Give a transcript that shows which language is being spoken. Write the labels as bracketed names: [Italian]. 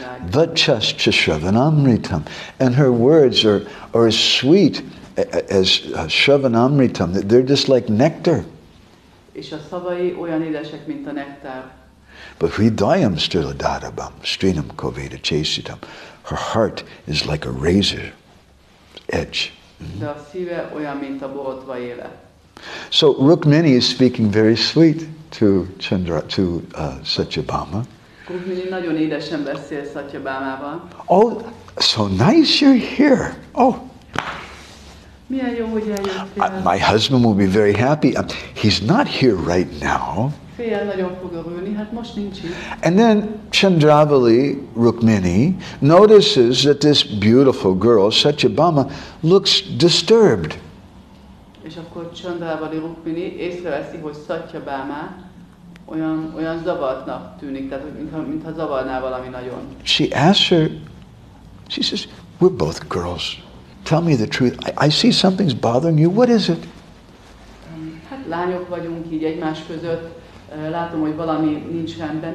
[Sanskrit] Vachascha Shravanamritam, [English] and her words are as sweet as Shravanamritam. They're just like nectar. [Hungarian] És a szavai olyan édesek, mint a nektár. [English] But [Sanskrit] Hridayam Sturadarabham Strinam Koveda Chesitam, [English] her heart is like a razor edge. [Hungarian] De a szíve olyan, mint a borotva éle. [English] So Rukmini is speaking very sweet to Chandra, to Satyabhama. [Hungarian] Rukmini nagyon édesen beszél Satyabhamával. [English] Oh, so nice you're here. Oh. [Hungarian] Milyen jó, hogy eljöttél. [English] My husband will be very happy. He's not here right now. [Hungarian] Féljel nagyon fog örülni, hát most nincs itt. [English] And then Chandravali Rukmini notices that this beautiful girl, Satyabhama, looks disturbed. [Hungarian] És akkor Chandravali Rukmini észreveszi, hogy Satyabhama olyan zavartnak tűnik, tehát mintha zavarná valami nagyon. [English] She asks her, she says, we're both girls. Tell me the truth. I see something's bothering you. What is it? [Hungarian] Hát lányok vagyunk így egymás között. Látom, hogy valami nincs rendben.